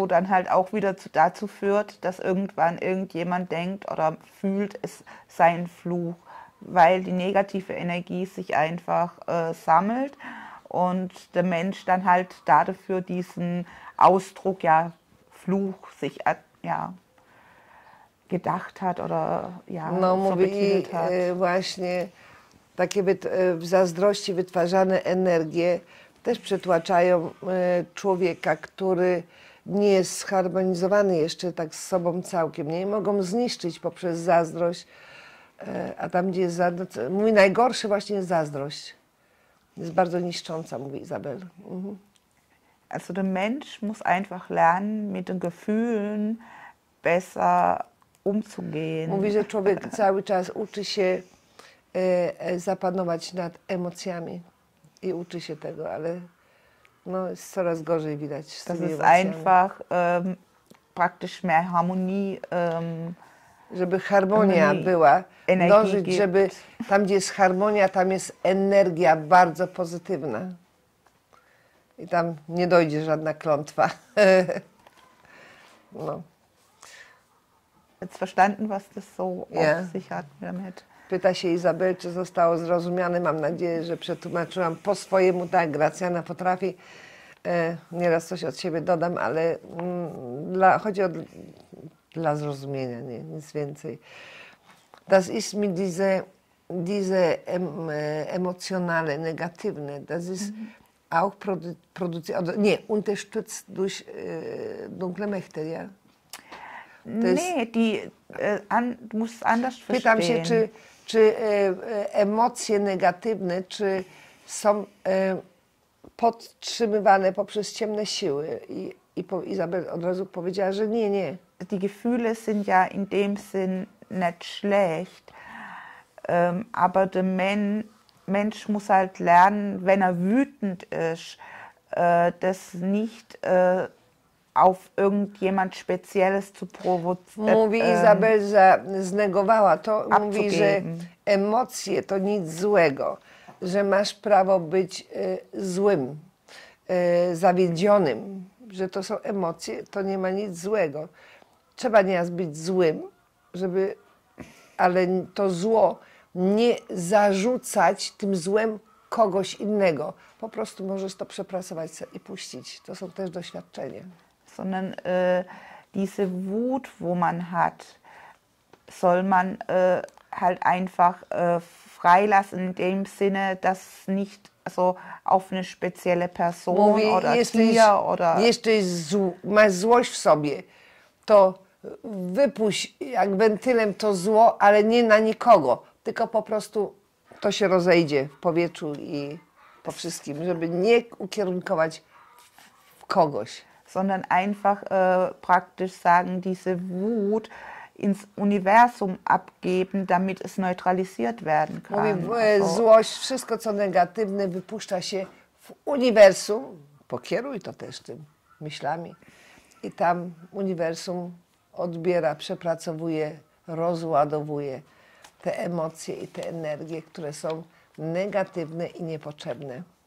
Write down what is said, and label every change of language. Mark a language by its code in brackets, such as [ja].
[de] Wo dann halt auch wieder dazu führt, dass irgendwann irgendjemand denkt oder fühlt, es sei ein Fluch, weil die negative Energie sich einfach sammelt und der Mensch dann halt dafür diesen Ausdruck, ja, Fluch, sich ja, gedacht hat oder ja, no, so betitelt hat. [pl] Właśnie takie w zazdrości wytwarzane energie też przytłaczają człowieka, który nie jest zharmonizowany jeszcze tak z sobą całkiem. Nie mogą zniszczyć poprzez zazdrość, a tam gdzie jest zazdrość, mój najgorszy właśnie jest zazdrość. Jest bardzo niszcząca, mówi Isabel. Mhm. [de] Also der Mensch muss einfach lernen, mit den Gefühlen besser umzugehen. [pl] Mówi, że człowiek cały czas uczy się zapanować nad emocjami. I uczy się tego, ale no, jest coraz gorzej widać z tymi emocjami. [de] Einfach praktisch mehr Harmonie, [pl] żeby harmonia harmonii była, energii dążyć, [de] gibt. [pl] Żeby tam, gdzie jest harmonia, tam jest energia bardzo pozytywna. i tam nie dojdzie żadna klątwa. No. [de] Jetzt verstanden, was das so auf sich hat damit. [pl] Pyta się Izabel, czy zostało zrozumiane. Mam nadzieję, że przetłumaczyłam po swojemu. Tak, Gracjana potrafi. Nieraz coś od siebie dodam, ale chodzi o dla zrozumienia, nie, nic więcej. [de] Das ist mir diese emotionale, [pl] negatywne, [de] das ist auch produziert, nie, unterstützt durch dunkle Mächte, ja? Du musst anders verstehen. [pl] Pytam się, czy emocje negatywne, czy są podtrzymywane poprzez ciemne siły? I Izabel od razu powiedziała, że nie, nie. [de] Die Gefühle sind ja in dem Sinn nicht schlecht, aber der Mensch muss halt lernen, wenn er wütend ist, das nicht auf irgendjemand Spezielles zu provozieren. [pl] Mówi Izabel, że znegowała to, mówi, że emocje to nic złego, że masz prawo być złym, zawiedzionym, że to są emocje, to nie ma nic złego. Trzeba nieraz być złym, żeby, ale to zło nie zarzucać tym złem kogoś innego. Po prostu możesz to przepracować i puścić. To są też doświadczenia. [de] Sondern diese Wut, wo man hat, soll man halt einfach freilassen in dem Sinne, dass nicht also auf eine spezielle Person oder [pl] jesteś masz złość w sobie, to wypuść jak wentylem to zło, ale nie na nikogo, tylko po prostu to się rozejdzie w powietrzu i po wszystkim, żeby nie ukierunkować w kogoś. Sondern einfach praktisch sagen, diese Wut ins Universum abgeben, damit es neutralisiert werden kann. Mówi, złość, wszystko co negatywne wypuszcza się w uniwersum, pokieruj to też tym myślami i tam uniwersum odbiera, przepracowuje, rozładowuje te emocje i te energie, które są negatywne i niepotrzebne.